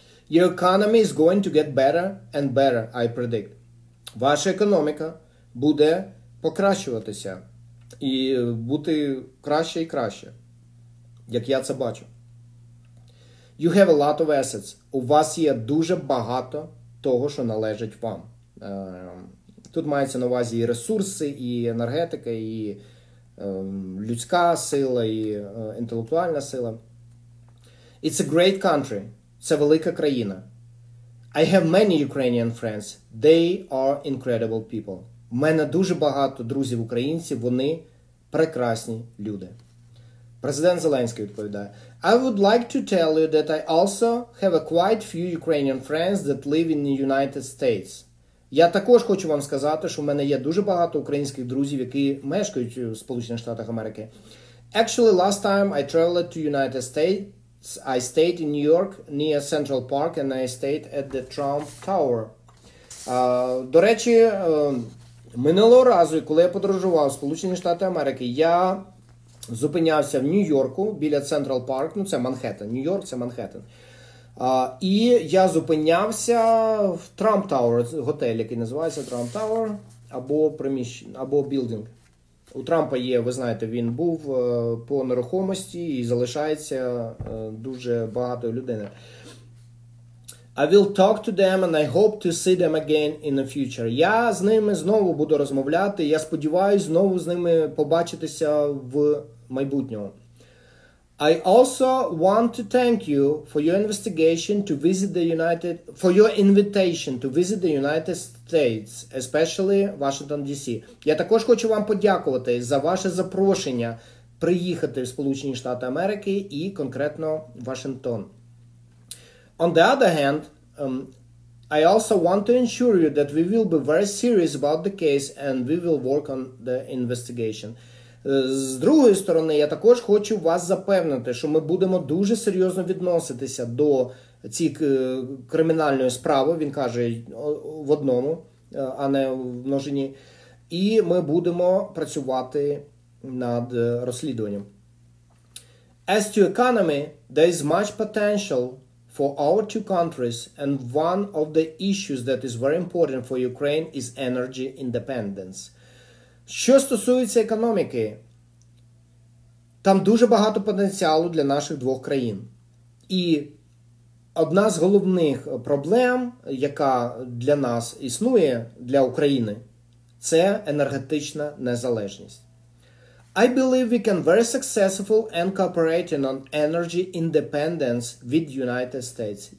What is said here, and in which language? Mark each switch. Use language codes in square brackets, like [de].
[en] Your economy is going to get better and better, I predict. [uk] Ваша економіка буде покращуватися і бути краще і краще, як я це бачу. [en] You have a lot of assets. [uk] У вас є дуже багато того, що належить вам. Тут мається на увазі і ресурси, і енергетика, і людська сила, і інтелектуальна сила. [en] It's a great country. [uk] Це велика країна. [en] I have many Ukrainian friends. They are incredible people. [uk] У мене дуже багато друзів-українців. Вони прекрасні люди. Президент Зеленський відповідає. [en] I would like to tell you that I also have a quite few Ukrainian friends that live in the United States. [uk] Я також хочу вам сказати, що в мене є дуже багато українських друзів, які мешкають у Сполучених Штатах Америки. [en] Actually, last time I traveled to United States, I stayed in New York near Central Park and I stayed at the Trump Tower. [uk] До речі, минулого разу, коли я подорожував у Сполучені Штати Америки, я зупинявся в Нью-Йорку біля Central Park, ну це Манхеттен, Нью-Йорк це Манхеттен. І я зупинявся в Trump Tower, готель, який називається Trump Tower, або приміщення, або білдинг. У Трампа є, ви знаєте, він був по нерухомості і залишається дуже багатою людиною. [en] I will talk to them and I hope to see them again in the future. [uk] Я з ними знову буду розмовляти, я сподіваюся знову з ними побачитися в майбутньому. [en] I also want to thank you for your investigation to visit the United for your invitation to visit the United States, especially Washington DC. [uk] Я також хочу вам подякувати за ваше запрошення приїхати в Сполучені Штати Америки і конкретно Вашингтон. [en] On the other hand, I also want to ensure you that we will be very serious about the case and we will work on the investigation. [uk] З другої сторони, я також хочу вас запевнити, що ми будемо дуже серйозно відноситися до цієї кримінальної справи, він каже, в одному, а не в множині, і ми будемо працювати над розслідуванням. [en] As to economy, there is much potential for our two countries, and one of the issues that is very important for Ukraine is energy independence. [uk] Що стосується економіки, там дуже багато потенціалу для наших двох країн. І одна з головних проблем, яка для нас існує, для України, це енергетична незалежність. [en] I believe we can very successful and cooperating on energy independence with United States.